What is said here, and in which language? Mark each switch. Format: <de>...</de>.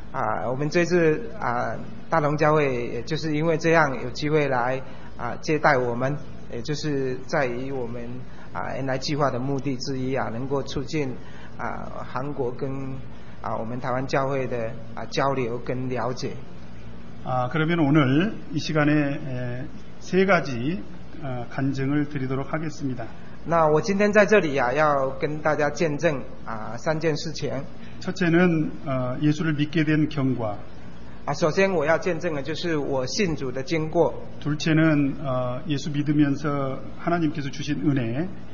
<zh>아我们这次啊大龙教会也就是因为这样有机会来啊接待我们也就是在于我们啊原来计划的目的之一啊能够促进啊韩国跟啊我们台湾教会的啊交流跟了解</zh> <ko>아그러면오늘이시간에세가지간증을드리도록하겠습니다</ko> <zh>那我今天在这里、啊、要跟大家见证、啊、三件事情</zh> <ko>첫째는예수를믿게된경과、</ko> <zh>啊、首先我要见证的就是我信主的经过</zh> <ko>둘째는예수믿으면서하나님께서주신은혜、</ko>